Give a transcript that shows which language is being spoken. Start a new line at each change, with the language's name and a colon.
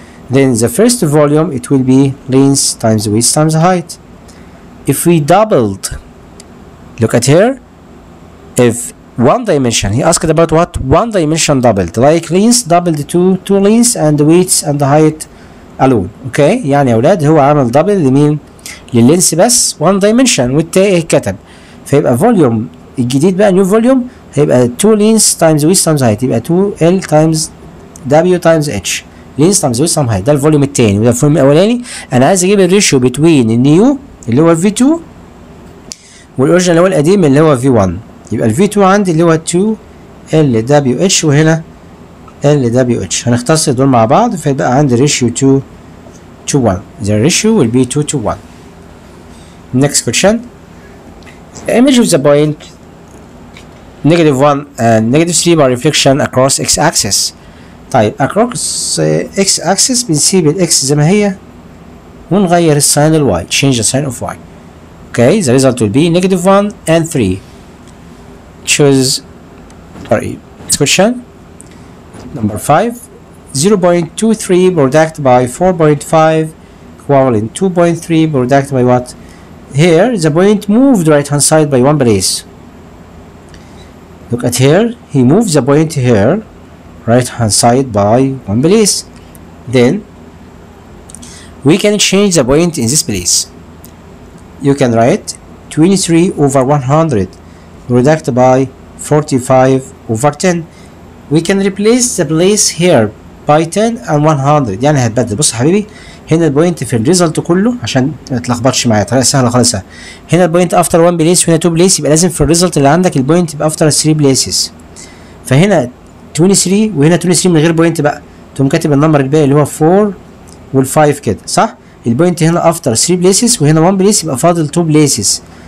English: Then the first volume, it will be length times width times height. If we doubled, look at here, if one dimension, he asked about what one dimension doubled, like length doubled to two lengths and width and height alone.
Arabic: Okay, يعني يا ولاد هو عمل double اللي مين للينس بس one dimension والتاني كتب، فيبقى volume الجديد بقى new volume هيبقى 2 لينس تايمز ويست تايمز هايت، يبقى 2L تايمز W تايمز H، لينس تايمز ويست تايمز هايت، ده الفوليوم الثاني. وده الفوليوم الاولاني انا عايز اجيب الريشيو بتوين النيو اللي هو V2 والاوريجنال اللي هو القديم اللي هو V1، يبقى V2 عندي اللي هو 2L W H وهنا L W H، هنختصر دول مع بعض فيبقى عندي ريشيو 2 to 1،
English: the ratio will be 2 to 1. Next question. The image of the point negative 1 and negative 3 by reflection across x-axis.
Arabic: طيب across x-axis بنسيب الx زي ما هي ونغير السين ال y.
English: Change the sign of y. Okay, the result will be negative 1 and 3. Choose, sorry, next question. Number 5. 0.23 product by 4.5 equivalent 2.3 product by what? Here, the point moved right hand side by one place. Look at here, he moves the point here, right hand side by one place. Then we can change the point in this place. You can write 23 over 100 product by 45 over 10. We can replace the place here by 10 and 100.
Arabic: يعني هتبدل، بص يا حبيبي هنا البوينت في الريزلت كله عشان ما تتلخبطش معايا، طريقه سهله خالص. هنا البوينت افتر 1 بليس وهنا 2 بليس، يبقى لازم في الريزلت اللي عندك البوينت يبقى افتر 3 بليسز. فهنا 23 وهنا 23 من غير بوينت بقى، تقوم كاتب النمبر الباقي اللي هو 4 وال5 كده، صح؟ البوينت هنا افتر 3 بليسز وهنا 1 بليس، يبقى فاضل 2 بليسز.